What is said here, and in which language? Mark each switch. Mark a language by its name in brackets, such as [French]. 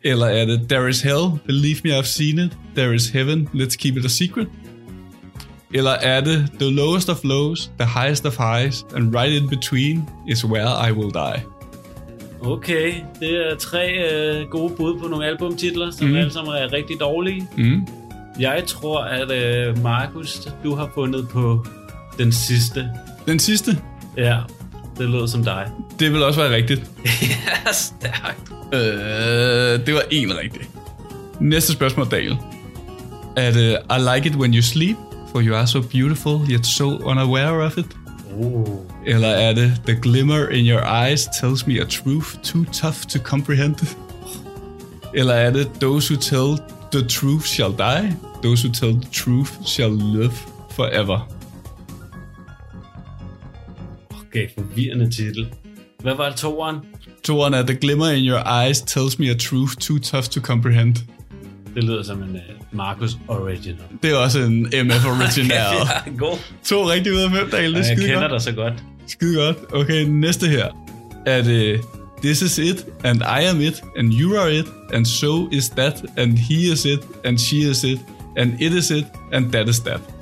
[Danish] Eller er det [English] There is Hell, Believe Me, I've Seen It, There is Heaven, Let's Keep It a Secret? [Danish] Eller er det [English] The Lowest of Lows, The Highest of Highs, and Right in Between is Where I Will Die? [Danish] Okay, det er 3 gode bud på nogle albumtitler, som alle sammen er rigtig dårlige. Mm. Jeg tror, at Markus, du har fundet på den sidste. Den sidste? Ja, det lød som dig. Det vil også være rigtigt. Ja, stærkt. Det var en rigtig. Næste spørgsmål, Daniel. Er det [English] I Like It When You Sleep, For You Are So Beautiful, Yet So Unaware Of It? [Danish] Eller er det [English] The Glimmer In Your Eyes Tells Me A Truth Too Tough To Comprehend? [Danish] Eller er det [English] Those Who Tell... The truth shall die. Those who tell the truth shall live forever. [Danish] Okay, forvirrende titel. Hvad var det, toeren? Toeren er, [English] The glimmer in your eyes tells me a truth too tough to comprehend. [Danish] Det lyder som en Marcus Original. Det er også en MF Original. God. To rigtig ud af fem, Daniel. Jeg kender dig så godt. Skide godt. Okay, næste her. Er det [English] This is it, and I am it, and you are it, and so is that, and he is it, and she is it, and it is it, and that is that.